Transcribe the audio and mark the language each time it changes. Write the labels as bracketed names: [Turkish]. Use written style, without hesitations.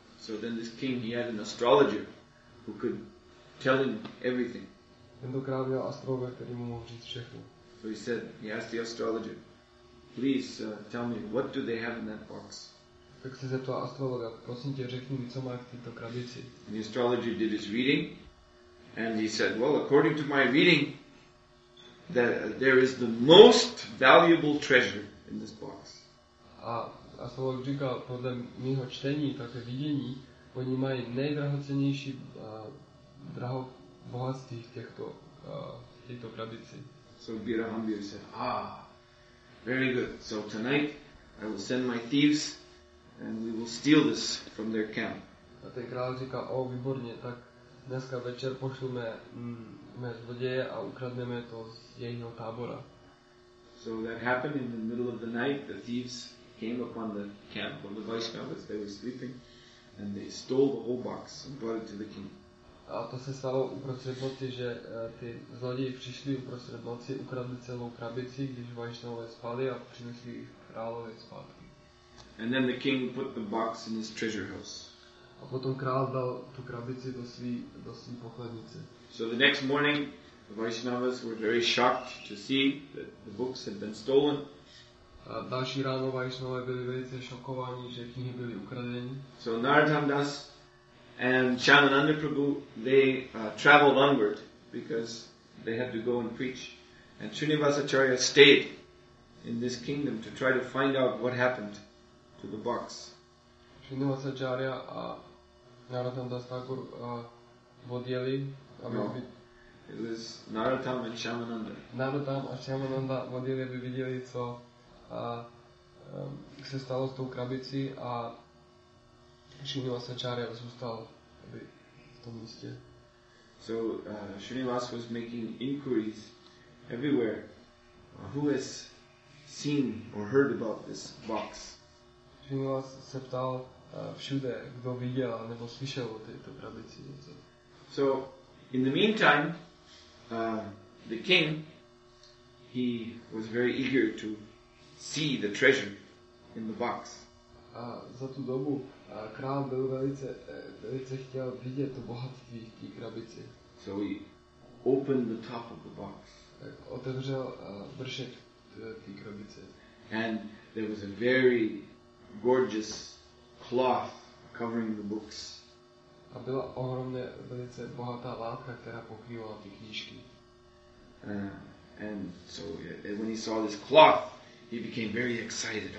[English] So then this king, he had an astrologer who could tell him everything. [Czech] Tento král měl astrologa, který mu mohl říct všechno. [English] So he said, he asked the astrologer, please tell me, what do they have in that box? [Czech] Tak se zeptal astrologa, prosím tě, řekni mi, co mají v této krabici. [English] And the astrologer did his reading, and he said, well, according to my reading, that there is the most valuable treasure in this box. [Czech] A astrolog říkal, podle mýho čtení, také vidění, oni mají nejdrahocenější draho bohatství v této krabici. [English] So Birahambira said, ah, very good. So tonight I will send my thieves and we will steal this from their camp. [Czech] A ten král říká, o, výborně, tak dneska večer pošleme mé zloděje a ukradneme to z jejího tábora. [English] So that happened in the middle of the night. The thieves came upon the camp of the Vaishnavas. They were sleeping and they stole the whole box and brought it to the king. [Czech] A to se stalo uprostřed noci, že ty zloději přišli uprostřed noci, ukradli celou krabici, když Vaishnavové spali a přinesli jich králové zpátky. [English] And then the king put the box in his treasure house. [Czech] A potom král dal tu krabici do svý pochladnice. [English] So the next morning, the Vaishnavas were very shocked to see that the books had been stolen. [Czech] A další ráno Vaishnavové byli velice šokováni, že knihy byly ukradeny. [English] So Narottam Das and Chandananda Prabhu, they traveled onward because they had to go and preach. And Srinivasacharya stayed in this kingdom to try to find out what happened to the box. [Czech] Srinivasacharya a Narottam Das Thakur odjeli. [English] No, it was Narottam and Chandananda. [Czech] Narottam a Chandananda odjeli, aby viděli, co se stalo s tou krabicí a Srinivasacharya zůstal v tom místě. [English] So Srinivas was making inquiries everywhere. Who has seen or heard about this box? [Czech] Srinivas se ptal všude, kdo viděl nebo slyšel o této krabici. [English] So in the meantime, the king, he was very eager to see the treasure in the box. [Czech] A za tu dobu král byl velice, velice chtěl vidět to bohatství v té krabici. [English] So he opened the top of the box. [Czech] Tak otevřel vršek té krabice. [English] And there was a very gorgeous cloth covering the books. [Czech] A byla ohromně velice bohatá látka, která pokrývala ty knížky. [English] And so when he saw this cloth, he became very excited.